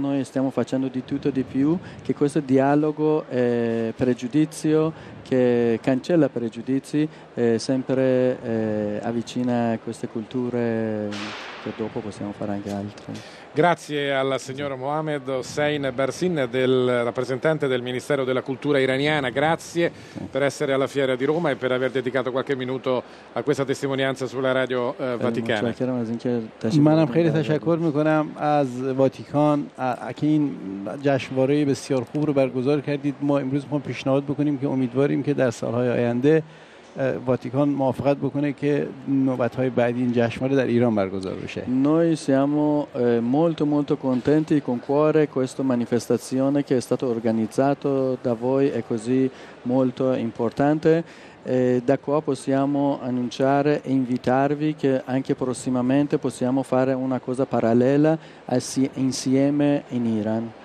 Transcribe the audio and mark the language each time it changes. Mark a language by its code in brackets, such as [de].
[it] Noi stiamo facendo di tutto di più che questo dialogo è pregiudizio che cancella pregiudizi e sempre avvicina queste culture che dopo possiamo fare anche altro. Grazie al signor Mohamed Hossein Barsin, del rappresentante del Ministero della Cultura iraniana. Grazie per essere alla Fiera di Roma e per aver dedicato qualche minuto a questa testimonianza sulla Radio Vaticana. [fa] منم خیلی تشکر میکنم از واتیکان که این جشنواره بسیار خوب رو برگزار کردید. ما امروز میخوام پیشنهاد بکنیم که امیدواریم که در سالهای آینده Vaticano موافقت بکنه که نوبت‌های بعدی این جشنواره در ایران برگزار بشه. [it] Noi siamo molto molto contenti con cuore questa manifestazione che è stato organizzato da voi è così molto importante. Da qua possiamo annunciare e invitarvi che anche prossimamente possiamo fare una cosa parallela insieme in Iran.